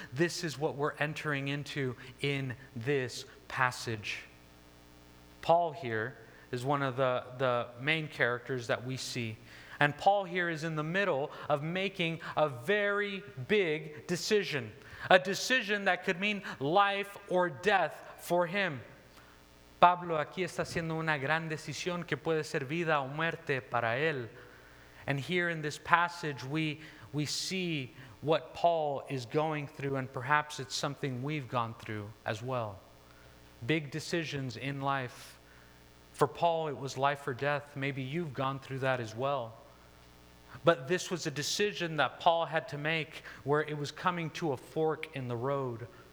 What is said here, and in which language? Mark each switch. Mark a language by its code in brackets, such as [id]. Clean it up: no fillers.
[en] This is what we're entering into in this passage. Paul here is one of the main characters that we see. And Paul here is in the middle of making a very big decision, a decision that could mean life or death for him. [es] Pablo aquí está haciendo una gran decisión que puede ser vida o muerte para él. [en] And here in this passage, we see what Paul is going through, and perhaps it's something we've gone through as well. Big decisions in life. For Paul, it was life or death. Maybe you've gone through that as well. But this was a decision that Paul had to make where it was coming to a fork in the road.